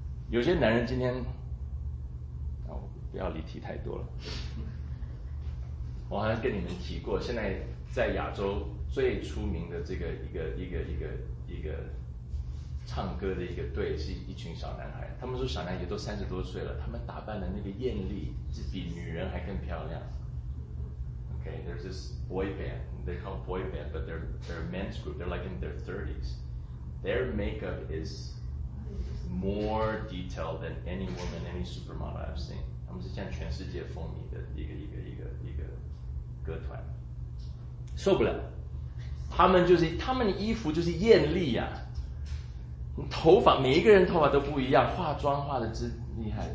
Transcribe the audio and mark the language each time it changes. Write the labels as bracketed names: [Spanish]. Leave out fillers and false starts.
[Chinese] 有些男人今天，我不要离题太多了。我好像跟你们提过，现在在亚洲最出名的这个一个唱歌的一个队，是一群小男孩，他们说小男孩都30多岁了，他们打扮的那个艳丽是比女人还更漂亮。 [English] OK, there's this boy band, they call boy band, but they're a men's group, they're like in their 30s. Their makeup is more detailed than any woman, any supermodel I've seen. [Chinese] 他们是像全世界风靡的一个歌团，受不了，他们衣服就是艳丽啊，头发每一个人头发都不一样，化妆化的之厉害，